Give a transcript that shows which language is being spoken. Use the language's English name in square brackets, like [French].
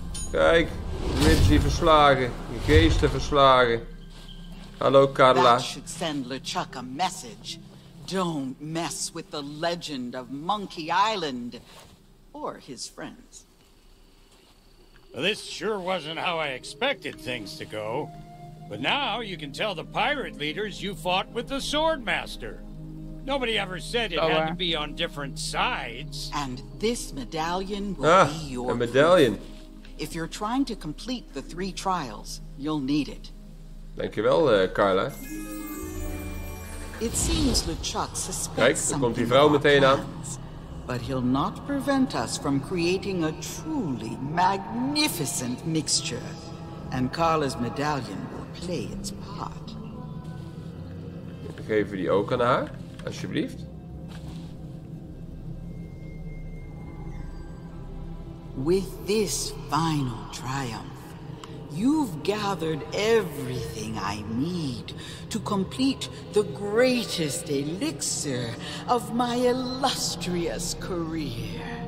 [Dutch] Kijk, Ripsy verslagen, geesten verslagen. Hallo Carla. [English] That should send LeChuck a message. Don't mess with the legend of Monkey Island or his friends. This sure wasn't how I expected things to go. But now you can tell the pirate leaders you fought with the Swordmaster. Nobody ever said it had to be on different sides. And this medallion will be your a medallion. If you're trying to complete the three trials, you'll need it. [Dutch] Dankjewel, Carla. [English] It seems LeChuck suspects something. But he'll not prevent us from creating a truly magnificent mixture. And Carla's medallion will play its part. [Dutch] Geven die ook aan haar, alsjeblieft. [English] With this final triumph, you've gathered everything I need to complete the greatest elixir of my illustrious career.